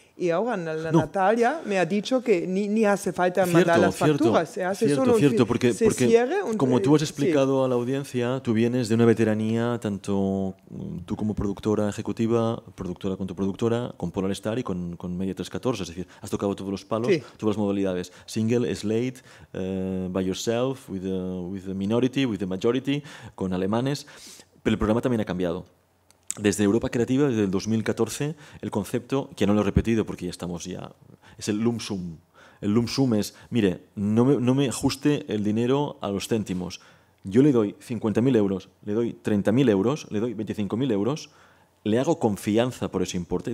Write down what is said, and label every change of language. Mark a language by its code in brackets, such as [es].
[es] Y ahora Natalia me ha dicho que ni hace falta mandar las facturas. Se hace cierto, solo cierto, porque como tú has explicado sí, a la audiencia, tú vienes de una veteranía, tanto tú como productora ejecutiva, productora con tu productora, con Polar Star y con Media 314. Es decir, has tocado todos los palos, sí, todas las modalidades. [en] Single, slate, by yourself, with the minority, with the majority, [es] con alemanes. Pero el programa también ha cambiado. Desde Europa Creativa, desde el 2014, el concepto, que no lo he repetido porque ya estamos ya, es el lump sum. El lump sum es, mire, no me ajuste el dinero a los céntimos. Yo le doy 50.000 euros, le doy 30.000 euros, le doy 25.000 euros, le hago confianza por ese importe.